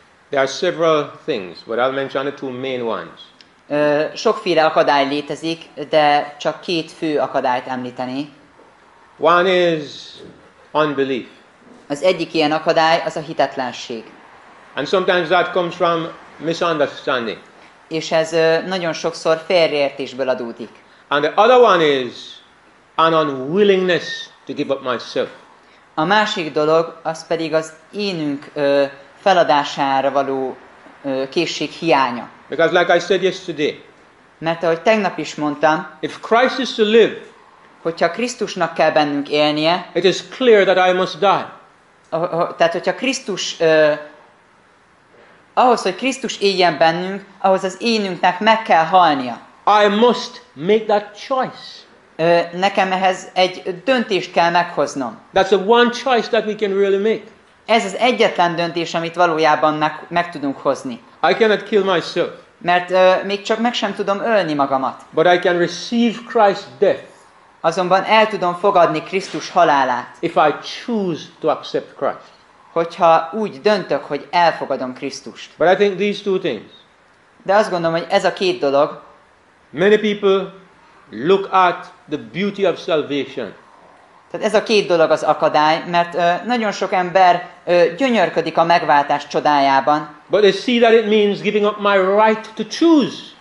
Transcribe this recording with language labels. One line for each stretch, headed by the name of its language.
English: There are several things, but I'll mention the two main ones.
Hungarian: Sokféle akadály létezik, de csak két fő akadályt említeni.
English: One is unbelief.
Hungarian: Az egyik ilyen akadály az a hitetlenség.
English: And sometimes that comes from misunderstanding.
Hungarian: És ez nagyon sokszor félreértésből adódik.
English: And the other one is an unwillingness to give up myself.
Hungarian: A másik dolog az pedig az énünk feladására való készség hiánya.
English: Because like I said yesterday.
Hungarian: Mert ahogy tegnap is mondtam,
English: if Christ is to live,
Hungarian: hogyha Krisztusnak kell bennünk élnie,
English: it is clear that I must die.
Hungarian: Tehát hogyha Krisztus ahhoz, hogy Krisztus éljen bennünk, ahhoz az énünknek meg kell halnia.
English: I must make that choice.
Hungarian: Nekem ehhez egy döntést kell meghoznom.
English: That's the one choice that we can really make.
Hungarian: Ez az egyetlen döntés, amit valójában meg tudunk hozni.
English: I cannot kill myself.
Hungarian: Mert még csak meg sem tudom ölni magamat.
English: But I can receive Christ's death.
Hungarian: Azonban el tudom fogadni Krisztus halálát.
English: If I choose to accept Christ.
Hungarian: Hogyha úgy döntök, hogy elfogadom Krisztust.
English: But I think these two things.
Hungarian: De azt gondolom, hogy ez a két dolog.
English: Many people look at the beauty of salvation.
Hungarian: Tehát ez a két dolog az akadály, mert nagyon sok ember gyönyörködik a megváltás csodájában.
English: But they see that it means giving up my right to choose.